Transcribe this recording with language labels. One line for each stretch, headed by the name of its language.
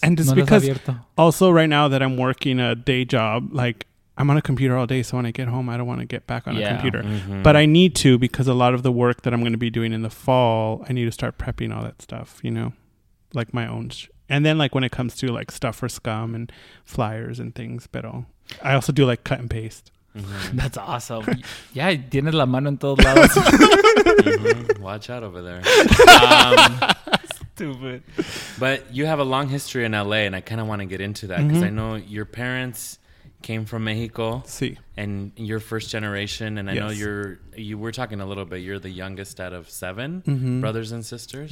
English: And it's because also right now that I'm working a day job, like I'm on a computer all day, so when I get home, I don't want to get back on a computer. Mm-hmm. But I need to, because a lot of the work that I'm going to be doing in the fall, I need to start prepping all that stuff, you know, like my own. And then like when it comes to like stuff for Scum and flyers and things, but I also do like cut and paste. Mm-hmm. That's awesome.
Spanish: Yeah, tienes la mano en todos lados.
English: Watch out over there. Stupid. But you have a long history in LA, and I kind of want to get into that, because mm-hmm. I know your parents... came from Mexico.
Spanish: Sí.
English: And you're first generation. And I know you were talking a little bit. You're the youngest out of seven brothers and sisters.